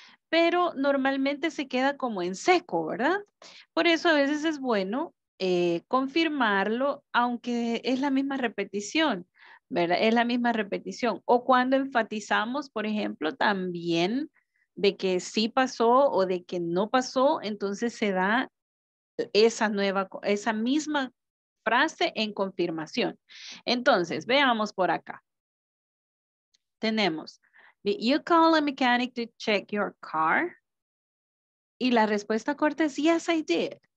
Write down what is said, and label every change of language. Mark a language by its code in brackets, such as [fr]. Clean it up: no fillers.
[es] Pero normalmente se queda como en seco, ¿verdad? Por eso a veces es bueno confirmarlo, aunque es la misma repetición, ¿verdad? Es la misma repetición. O cuando enfatizamos, por ejemplo, también de que sí pasó o de que no pasó, entonces se da esa nueva, esa misma frase en confirmación. Entonces, veamos por acá. Tenemos, [en] did you call a mechanic to check your car? [es] Y la respuesta corta es, [en] yes, I did.